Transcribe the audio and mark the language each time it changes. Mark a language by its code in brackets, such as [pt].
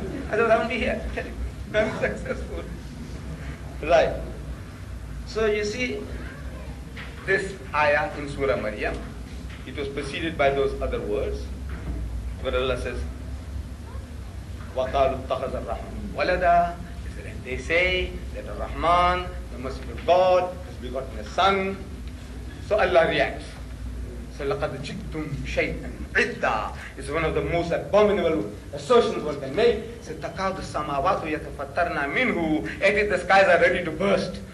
[en] I said, I won't be here. I'm successful. Right. So you see, this ayah in Surah Maryam, it was preceded by those other words, where Allah says, [ar] وقالوا اتخذ الرحمن ولدا. [en] They say that الرحمن, the Muslim God, has begotten a son. So Allah reacts. So [ar] لقد جئتم شيئا عدا [en] is one of the most abominable assertions one can make. So [ar] تكاد السماوات يتفطرن منه, [en] as if the skies are ready to burst.